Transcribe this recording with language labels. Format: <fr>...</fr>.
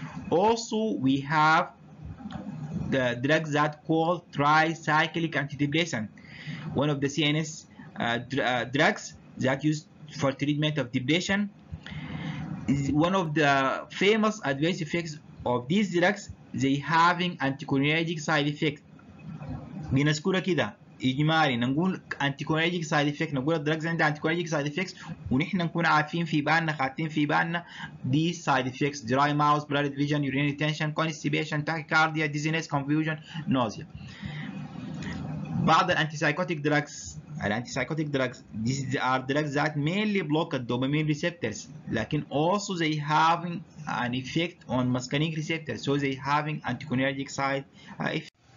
<en>Also, we have the drugs that called tricyclic antidepressant, one of the CNS drugs that used for treatment of depression. One of the famous adverse effects of these drugs, they having anticholinergic side effect.</en> <ar>بنذكرها كده إجمالي نقول anticholinergic side effect. نقول الدرجز عندها</ar> <en>anticholinergic side effects</en> <ar>ونحن نكون عارفين في بالنا</ar> <en>خاطين في بالنا these side effects: dry mouth, blurred vision, urinary retention, constipation, tachycardia, dizziness, confusion, nausea. بعض الانتيسايكوتيك دراجز الانتيسايكوتيك drugs these are drugs that mainly block the dopamine receptors, لكن also they having an effect on muscarinic receptors, so they having anticholinergic side effect.</en>